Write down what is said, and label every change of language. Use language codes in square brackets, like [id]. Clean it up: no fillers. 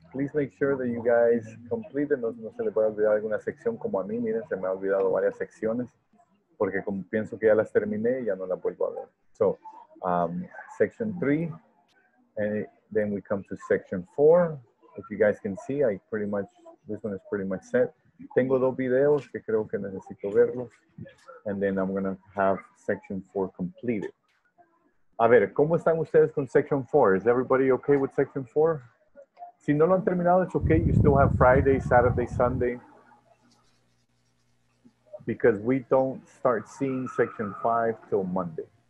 [en] please make sure that you guys complete it. [es] No se le puede olvidar alguna sección como a mí. Miren, se me ha olvidado varias secciones porque como pienso que ya las terminé, ya no la vuelvo a ver. [en] So, section 3, and then we come to section 4. If you guys can see, I pretty much, this one is pretty much set. [es] Tengo dos videos que creo que necesito verlos. [en] And then I'm going to have section 4 completed. [es] A ver, ¿cómo están ustedes con section 4? [en] Is everybody okay with section 4? [es] Si no lo han terminado, [en] it's okay. You still have Friday, Saturday, Sunday. Because we don't start seeing section 5 till Monday.